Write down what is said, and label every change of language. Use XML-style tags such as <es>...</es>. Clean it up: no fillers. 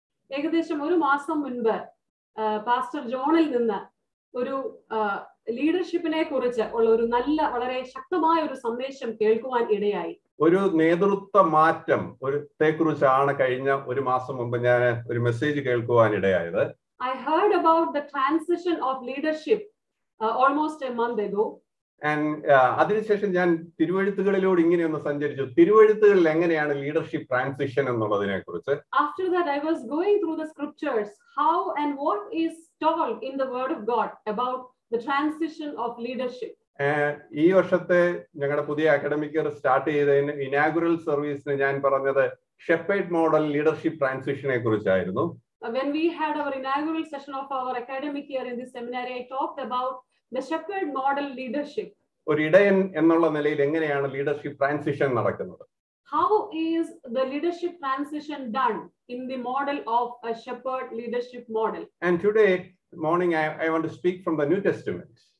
<ml>ഏകദേശം ഒരു മാസം മുൻപ് പാസ്റ്റർ ജോണിൽ നിന്ന് ഒരു ലീഡർഷിപ്പിനെ കുറിച്ച് ഉള്ള ഒരു നല്ല വളരെ ശക്തമായ ഒരു സന്ദേശം കേൾക്കുവാൻ ഇടയായി. ഒരു നേതൃത്വ മാറ്റം ഒരുത്തെ കുറിച്ചാണ് കഴിഞ്ഞ ഒരു മാസം മുമ്പ് ഞാൻ ഒരു മെസ്സേജ് കേൾക്കുവാൻ ഇടയായത്.</ml> <en>I heard about the transition of leadership almost a month ago.</en> <ml>And അതിനുശേഷം ഞാൻ തിരുവെഴുത്തുകളിലൂടെ ഇങ്ങനെ ഒന്ന് സഞ്ചരിച്ചു, തിരുവെഴുത്തുകളിൽ എങ്ങനെയാണ് ലീഡർഷിപ്പ് ട്രാൻസിഷൻ എന്നുള്ളതിനെ കുറിച്ച്.</ml> <en>After that I was going through the scriptures, how and what is told in the word of God about the transition of leadership.</en> <ml>ഈ വർഷത്തെ ഞങ്ങളുടെ പുതിയ അക്കാഡമിക് ഇയർ സ്റ്റാർട്ട് ചെയ്ത ഇനാഗുറൽ സർവീസിന് ഞാൻ പറഞ്ഞത് ഷെപ്പേർഡ് മോഡൽ ലീഡർഷിപ്പ് ട്രാൻസിഷനെ കുറിച്ചായിരുന്നു.</ml> <en>When we had our inaugural session of our academic year in this seminary, I talked about the shepherd model leadership.</en> <ml>ഒരു ഇടയൻ എന്നുള്ള നിലയിൽ എങ്ങനെയാണ് ലീഡർഷിപ്പ് ട്രാൻസിഷൻ നടക്കുന്നത്.</ml> <en>How is the leadership transition done in the model of a shepherd leadership model? And today morning I want to speak from the New Testament.</en>